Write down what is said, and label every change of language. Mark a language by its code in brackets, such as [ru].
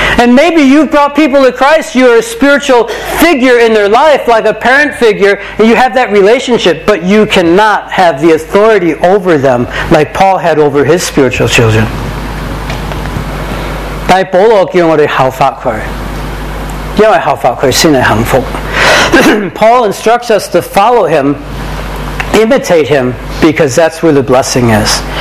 [en] And maybe you've brought people to Christ, you're a spiritual figure in their life, like a parent figure, and you have that relationship, but you cannot have the authority over them like Paul had over his spiritual children. [zh] 但保罗叫我们效法他，因为效法他才是幸福。 [en] Paul instructs us to follow him, imitate him, because that's where the blessing is.